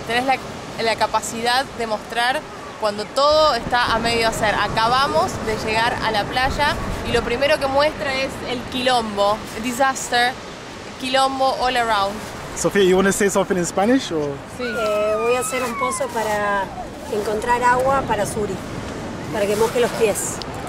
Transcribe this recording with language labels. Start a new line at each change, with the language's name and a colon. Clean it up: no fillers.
Spanish: Tienes la capacidad de mostrar cuando todo está a medio hacer. Acabamos de llegar a la playa y lo primero que muestra es el quilombo, disaster, quilombo all around.
English: Sofía, you want to say something in Spanish or?
Spanish: Sí. Voy a hacer un pozo para encontrar agua para Zuri, para que moje los pies.